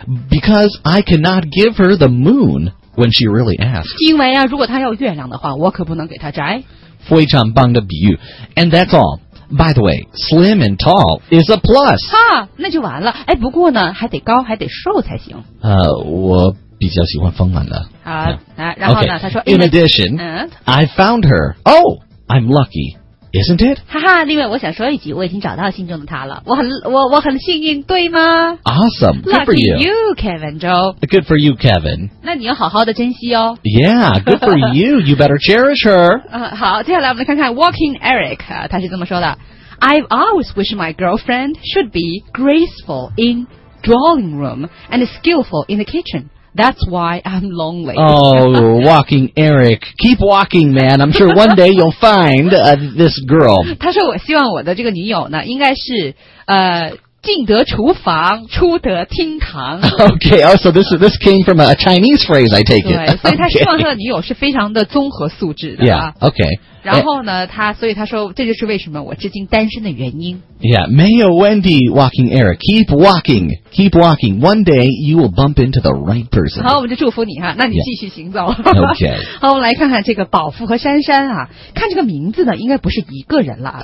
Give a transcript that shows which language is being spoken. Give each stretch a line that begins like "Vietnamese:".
English: Because I cannot give her the moon when she really asks.
Chinese: 因为啊，如果她要月亮的话，我可不能给她摘。非常棒的比喻。
English: And that's all. By the way, slim and tall is a plus.
Chinese: 哈，那就完了。哎，不过呢，还得高，还得瘦才行。我比较喜欢丰满的。啊，然后呢？
English: Okay.
Chinese: 他说
English: ，In addition, I found her. Oh, I'm lucky. Isn't it?
Chinese: 哈哈，另外我想说一句，我已经找到心中的他了。我很幸运，对吗？
English: Awesome. Good for you. Lucky you, Kevin Joe. Good for you, Kevin.
Chinese: 那你要好好的珍惜哦。
English: Yeah, good for you. You better cherish her.
Chinese: 好，接下来我们来看看 Walking Eric, 他是这么说的。
English: I've always wished my girlfriend should be graceful in drawing room and skillful in the kitchen. That's why I'm lonely. Oh, walking Eric. Keep walking, man. I'm sure one day you'll find this girl.
Chinese: 他说我希望我的这个女友呢应该是进得厨房出得厅堂。
English: Okay, oh, so this came from a Chinese phrase, I take it.
Chinese: 对，所以他希望他的女友是非常的综合素质的。
English: Yeah, okay.
Chinese: 然后呢所以他说这就是为什么我至今单身的原因。
English: Yeah,
Chinese: 没有问题
English: walking Eric. Keep walking, keep walking. One day, you will bump into the right person.
Chinese: 好，我们就祝福你哈，那你继续行走。
English: Yeah. Okay.
Chinese: 好，我们来看看这个宝富和珊珊啊，看这个名字呢应该不是一个人了。